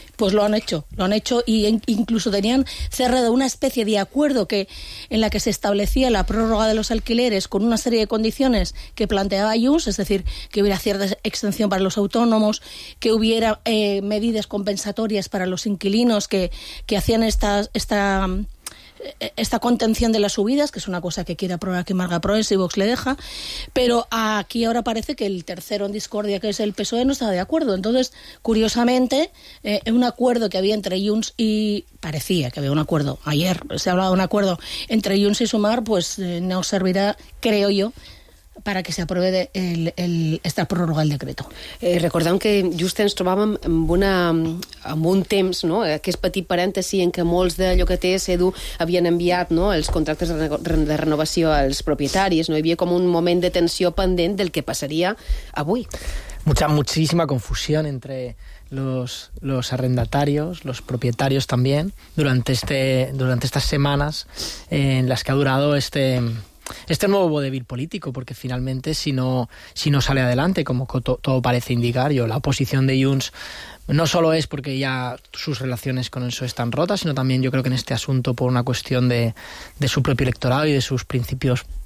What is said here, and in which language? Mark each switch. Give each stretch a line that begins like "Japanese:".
Spanish: Pues lo han hecho, y incluso tenían cerrado una especie de acuerdo en la que se establecía la prórroga de los alquileres con una serie de condiciones que planteaba Junts, es decir, que hubiera cierta exención para los autónomos, que hubiera medidas compensatorias para los inquilinos que hacían esta contención de las subidas, que es una cosa que quiere aprobar que Marga Proens y Vox le deja, pero aquí ahora parece que el tercero en discordia, que es el PSOE, no estaba de acuerdo. Entonces, curiosamente, un acuerdo que había entre Junts y... parecía que había un acuerdo, ayer se hablaba de un acuerdo entre Junts y Sumar, pues no servirá, creo yo, para que se apruebe esta pròrroga del decreto.
Catalan: Recordem que just ens trobàvem amb un temps, no?, aquest petit parèntesi en què molts de llogaters, Edu, havien enviat, no?, els contractes de renovació als propietaris. No hi havia com un moment de tensió pendent del que passaria avui.
Spanish: Muchísima confusión entre los arrendatarios, los propietarios también, durante estas semanas en las que ha durado este nuevo vodevil político, porque finalmente si no sale adelante, como todo parece indicar, la oposición de Junts no solo es porque ya sus relaciones con el PSOE están rotas, sino también yo creo que en este asunto por una cuestión de su propio electorado y de sus principios,